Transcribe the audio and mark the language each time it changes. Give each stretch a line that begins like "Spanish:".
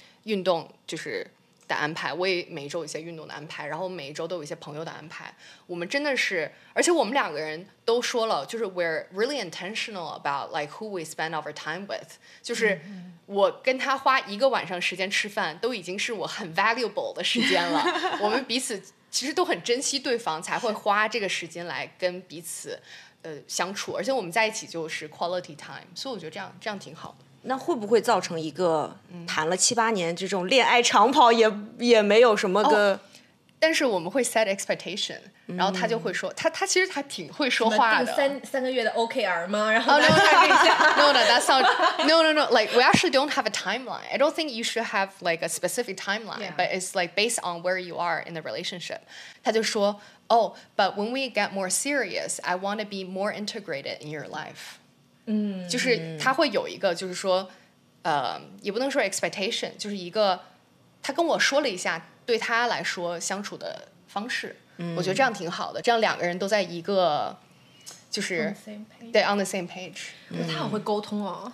Chinese: 运动就是的安排，我也每周有一些运动的安排，然后每一周都有一些朋友的安排，我们真的是，而且我们两个人都说了，就是
English: we're really intentional about like who we spend our time with，
Chinese: 就是我跟他花一个晚上时间吃饭都已经是我很 valuable 的时间了我们彼此其实都很珍惜对方，才会花这个时间来跟彼此相处，而且我们在一起就是 quality time， 所以我觉得这样挺好的。那会不会造成一个谈了七八年这种恋爱长跑也没有什么个、哦、但是我们会 set expectation、嗯、然后他就会说他其实他挺会说话的。定三个月的 OKR 吗？然后
English: no, no, that's not, no, no, no, like, we actually don't have a timeline. I don't think you should have, like, a specific timeline,、 yeah. but it's, like, based on where you are in the relationship.
Chinese: 他就说
English: oh, but when we get more serious, I want to be more integrated in your life. 嗯，
Chinese: 就是他会有一个就是说也不能说 expectation， 就是一个他跟我说了一下对他来说相处的方式、嗯、我觉得这样挺好的，这样两个人都在一个就是对
English: on the same page、
Chinese: 嗯、他很会沟通哦，